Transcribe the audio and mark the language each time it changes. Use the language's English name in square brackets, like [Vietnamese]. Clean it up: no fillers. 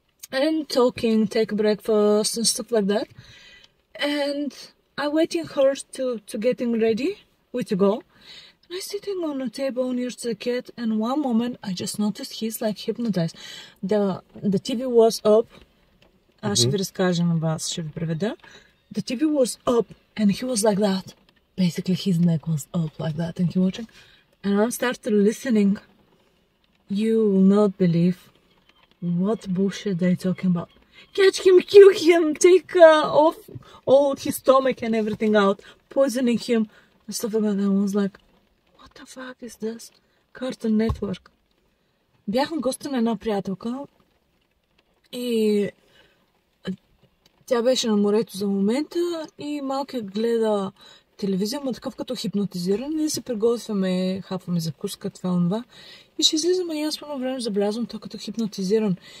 [English] And talking, take breakfast and stuff like that. And I waiting her to getting ready, we to go. And I sitting on a table near to the kid. And one moment I just noticed he's like hypnotized. The TV was up. Mm-hmm. [Bulgarian] Ще ви разкажа на вас, ще ви приведа. [English] The TV was up and he was like that. Basically his neck was up like that and he watching. And I started listening. You will not believe. What bullshit they talking about? Catch him, kill him, take off all his stomach and everything out, poisoning him and stuff like that. I was like, what the fuck is this? Cartoon Network. [Bulgarian] Бях на гости на една приятелка и тя беше на морето за момента и малкият гледа телевизия, ма такъв като хипнотизиран. Ние се приготвяме, хапваме закуска, това и това. И ще излизам и аз по едно време забелязвам то като хипнотизиран.